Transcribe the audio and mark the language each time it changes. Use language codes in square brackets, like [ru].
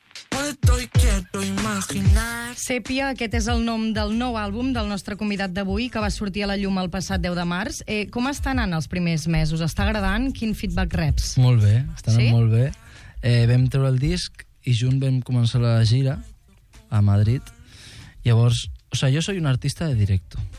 [es] Puedo y quiero imaginar. [ca] Sèpia, aquest és el nom del nou àlbum del nostre convidat d'avui, que va sortir a la llum el passat 10 de març. Com està anant els primers mesos? Està agradant? Quin feedback reps? Molt bé, està anant, sí? Molt bé. Vam treure el disc i junt vam començar la gira a Madrid. Llavors, [es] o sea, jo soy un artista de directo.